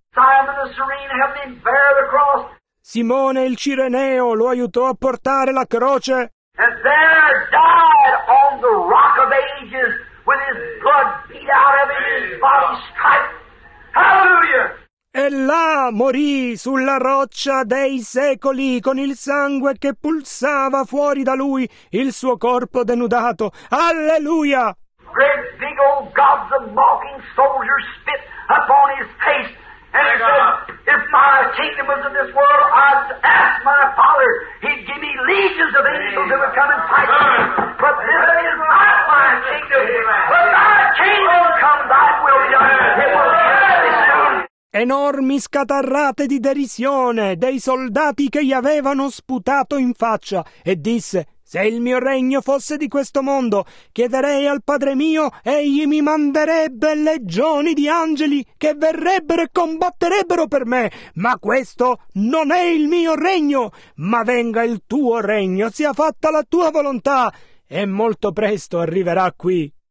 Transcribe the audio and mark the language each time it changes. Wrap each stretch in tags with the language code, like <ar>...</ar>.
<en>Simon the Serene helped him bear the cross.</en> <it>Simone il Cireneo lo aiutò a portare la croce.</it> <en>And there died on the rock of ages with his blood beat out of his body striped. Hallelujah!</en> <it>E là morì sulla roccia dei secoli con il sangue che pulsava fuori da lui, il suo corpo denudato. Alleluia!</it> <en>Great big old gods of mocking soldiers spit upon his face. And he said, if my kingdom was in this world, I'd ask my father, he'd give me legions of angels that would come and fight me. But this is not my kingdom, but thy kingdom come, thy will be done. It will be very soon.</en> <it>Enormi scatarrate di derisione dei soldati che gli avevano sputato in faccia, e disse, se il mio regno fosse di questo mondo, chiederei al Padre mio, egli mi manderebbe legioni di angeli che verrebbero e combatterebbero per me, ma questo non è il mio regno, ma venga il tuo regno, sia fatta la tua volontà, e molto presto arriverà qui.</it>